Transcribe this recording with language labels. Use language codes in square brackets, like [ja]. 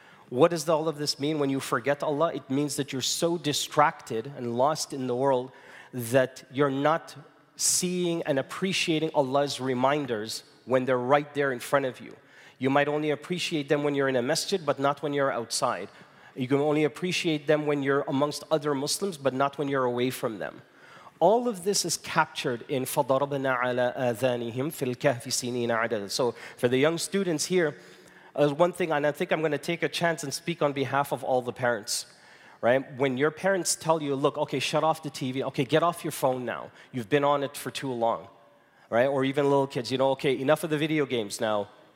[en] What does all of this mean when you forget Allah? It means that you're so distracted and lost in the world that you're not seeing and appreciating Allah's reminders when they're right there in front of you. You might only appreciate them when you're in a masjid, but not when you're outside. You can only appreciate them when you're amongst other Muslims, but not when you're away from them. All of this is captured in [ar] فَضَرَبْنَا عَلَىٰ آذَانِهِمْ فِي الْكَهْفِ سِنِينَ عَدَدًا. [en] So for the young students here, one thing, and I think I'm going to take a chance and speak on behalf of all the parents. Right? When your parents tell you, look, okay, shut off the TV, okay, get off your phone now. You've been on it for too long. Right? Or even little kids, you know, okay, enough of the video games now.